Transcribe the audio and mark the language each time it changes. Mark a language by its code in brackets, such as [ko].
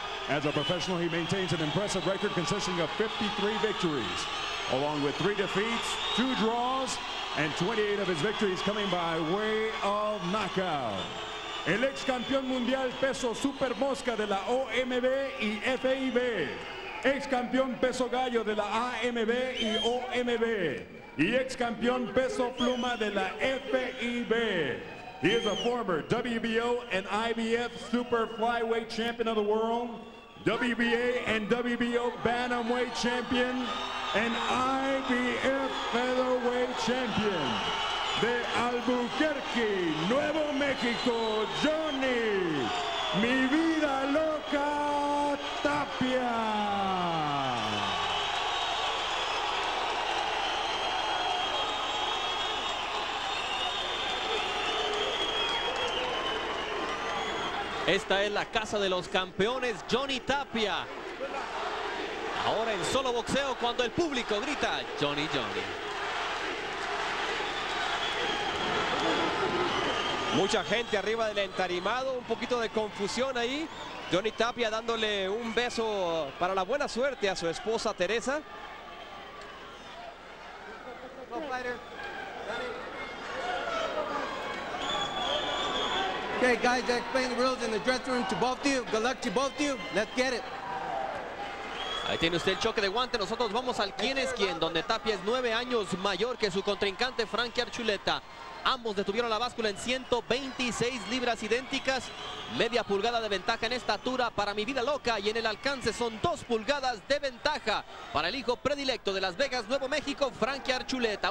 [en] As a professional, he maintains an impressive record consisting of 53 victories, along with 3 defeats, 2 draws, and 28 of his victories coming by way of knockout. [es] el ex campeón mundial peso super mosca de la OMB y FIB, ex campeón peso gallo de la AMB y OMB, y ex campeón peso pluma de la FIB. [en] He is a former WBO and IBF super flyweight champion of the world, WBA and WBO bantamweight champion, and IBF featherweight champion. [es] De Albuquerque, Nuevo México, Johnny, mi vida loca, Tapia. Esta es la casa de los campeones, Johnny Tapia. Ahora en solo boxeo cuando el público grita, Johnny, Johnny. Mucha gente arriba del entarimado, un poquito de confusión ahí. Johnny Tapia dándole un beso para la buena suerte a su esposa Teresa. [en] Okay, guys, I explained the rules in the dressing room to both of you. Good luck to both of you. Let's get it. [es] Ahí tiene usted el choque de guante. Nosotros vamos al quién es quién, donde Tapia es 9 años mayor que su contrincante Frankie Archuleta. Ambos detuvieron la báscula en 126 libras idénticas. Media pulgada de ventaja en estatura para mi vida loca. Y en el alcance son 2 pulgadas de ventaja para el hijo predilecto de Las Vegas, Nuevo México, Frankie Archuleta.